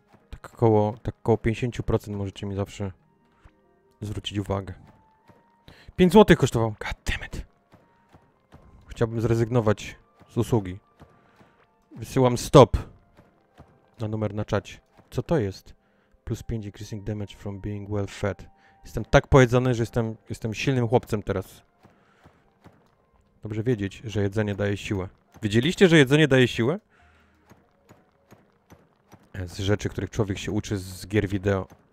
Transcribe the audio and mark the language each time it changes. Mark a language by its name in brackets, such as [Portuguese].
[Polish] Tak koło 50% możecie mi zawsze zwrócić uwagę. 5 zł kosztował. [English] God damn it. [Polish] Chciałbym zrezygnować z usługi. Wysyłam stop na numer na czacie. Co to jest? [English] Plus 5 increasing damage from being well fed. [Polish] Jestem tak pojedzony, że jestem silnym chłopcem teraz. Dobrze wiedzieć, że jedzenie daje siłę. Wiedzieliście, że jedzenie daje siłę? Z rzeczy, których człowiek się uczy z gier wideo.